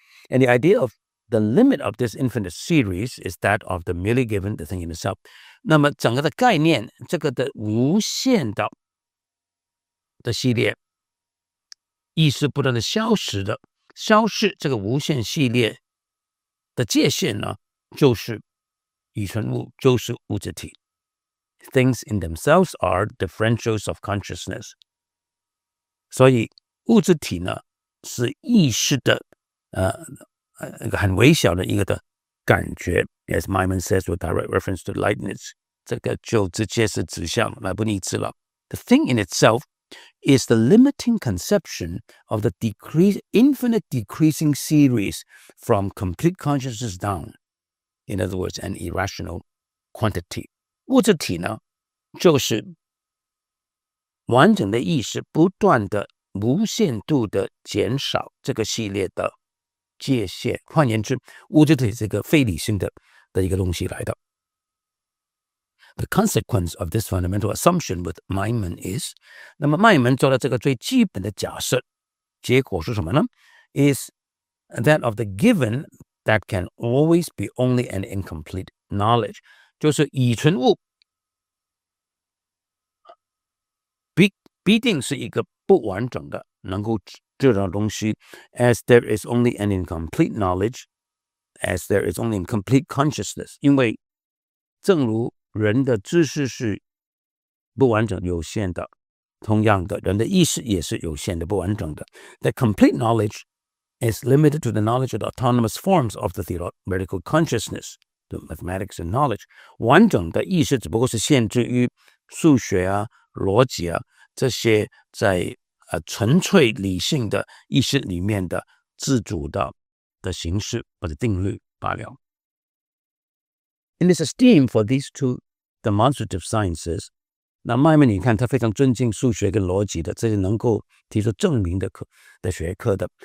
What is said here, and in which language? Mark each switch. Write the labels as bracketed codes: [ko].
[en] And the idea of the limit of this infinite series is that of the merely given the thing in itself， [zh] 那么整个的概念，这个的无限 的系列意识不断的消失的消失，这个无限系列的界限呢，就是已存物，就是物质体。 [en] Things in themselves are differentials of consciousness， [zh] 所以物质体呢是意识的一个很微小的一个的感觉。 [en] As Maimon says with direct reference to lightness， [zh] 这个就直接是指向莱布尼兹了。 [en] The thing in itself is the limiting conception of the infinite decreasing series from complete consciousness down. In other words, an irrational quantity. [zh] 物质体呢，就是完整的意识不断的无限度的减少这个系列的界限。换言之，物质体是一个非理性 的一个东西来的。 [en] The consequence of this fundamental assumption with Maimon is， [zh] 那么 Maimon 做了这个最基本的假设，结果是什么呢？ [en] Is that of the given that can always be only an incomplete knowledge. [zh] 就是已存物必定是一个不完整的能够知道东西。 [en] As there is only an incomplete knowledge, as there is only incomplete consciousness. [zh] 因为正如人的知识是不完整有限的，同样的人的意识也是有限的不完整的。 [en] The complete knowledge is limited to the knowledge of the autonomous forms of the theoretical consciousness, the mathematics and knowledge. [zh] 完整的意识只不过是限制于数学啊、逻辑啊，这些在纯粹理性的意识里面的自主的形式或者定律罢了。 [en] In his esteem for these two demonstrative sciences, [zh] 那麦麦你看他非常尊敬数学跟逻辑的这些能够提出证明 的学科的。